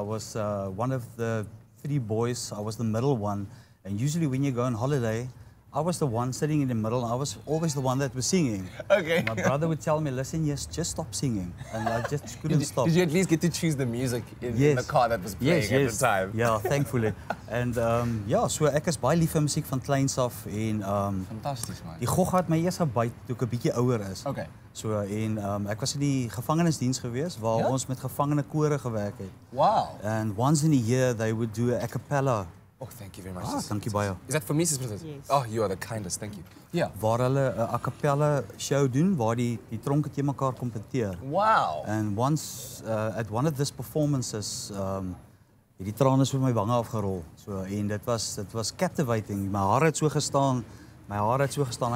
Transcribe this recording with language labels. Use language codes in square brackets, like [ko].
[en] I was one of the 3 boys. I was the middle one. And usually when you go on holiday, I was the one sitting in the middle. I was always the one that was singing. Okay. My brother would tell me, listen, yes, just stop singing. And I just couldn't stop. Did you at least get to choose the music in the car that was playing at the time? Yeah, thankfully. And so [af] ek is baie lief vir musiek van kleins af. Fantasties, man. Die gog het my eers gebyt toe ek 'n bietjie ouer is. [en] Okay. [af] So en ek was in die gevangenisdiens gewees waar ons met gevangene kore gewerk het. [en] Wow. And once in a year they would do a cappella. Oh, thank you very much. Thank you, Bayo. Is that for me, sister? Yes. Oh, you are the kindest. Thank you. Yeah. [af] Waar hulle 'n a cappella show doen, waar die tronke te mekaar kompeteer. [en] Wow. And once at one of these performances, [af] die trane is oor my wange afgerol. So en dit was captivating. My hare het so gestaan. My hare het so gestaan.